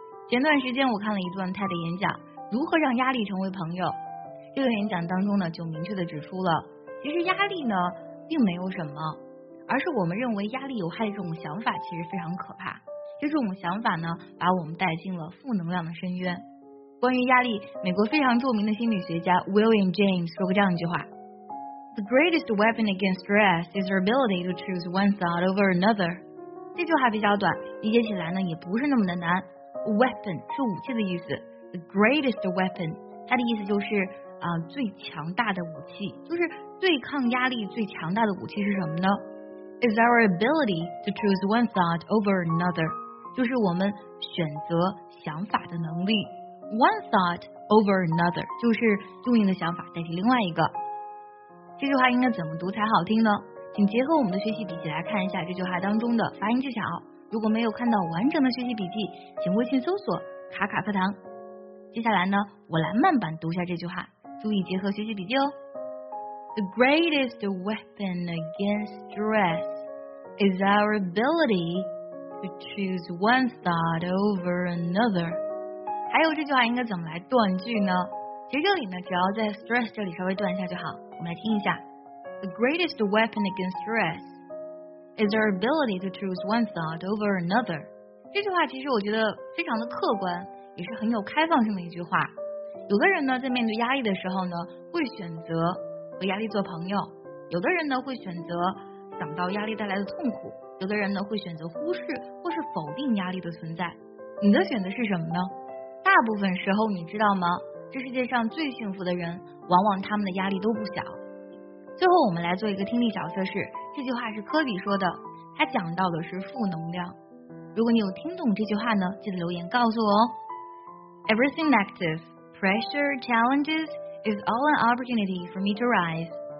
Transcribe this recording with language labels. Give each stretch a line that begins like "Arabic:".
Chinese: 前段时间我看了一段 TED 的演讲，如何让压力成为朋友。这个演讲当中呢就明确的指出了，其实压力呢并没有什么，而是我们认为压力有害的这种想法其实非常可怕。就这种想法呢把我们带进了负能量的深渊。关于压力，美国非常著名的心理学家 William James 说过这样一句话，
English: The greatest weapon against stress is your ability to choose one thought over another。
Chinese: 这句话比较短，理解起来呢也不是那么的难。Weapon 是武器的意思，
English: The greatest weapon
Chinese: 它的意思就是最强大的武器，就是对抗压力最强大的武器是什么呢？
English: Is our ability to choose one thought over another，
Chinese: 就是我们选择想法的能力。
English: One thought over another
Chinese: 就是用你的想法代替另外一个。这句话应该怎么读才好听呢？请结合我们的学习笔记来看一下这句话当中的发音技巧。如果没有看到完整的学习笔记，请微信搜索卡卡课堂。接下来呢，我来慢版读一下这句话，注意结合学习笔记哦。
English: The greatest weapon against stress is our ability to choose one thought over another。
Chinese: 还有这句话应该怎么来断句呢？其实这里呢只要在 stress 这里稍微断一下就好。我们来听一下，
English: The greatest weapon against stress is our ability to choose one thought over another。
Chinese: 这句话其实我觉得非常的客观，也是很有开放性的一句话。有的人呢在面对压力的时候呢会选择和压力做朋友，有的人呢会选择想到压力带来的痛苦，有的人呢会选择忽视或是否定压力的存在。你的选择是什么呢？大部分时候你知道吗，这世界上最幸福的人往往他们的压力都不小。最后我们来做一个听力小测试，这句话是科比说的，他讲到的是负能量。如果你有听懂这句话呢，记得留言告诉我哦。
English: Everything negative, pressure, challenges is all an opportunity for me to rise.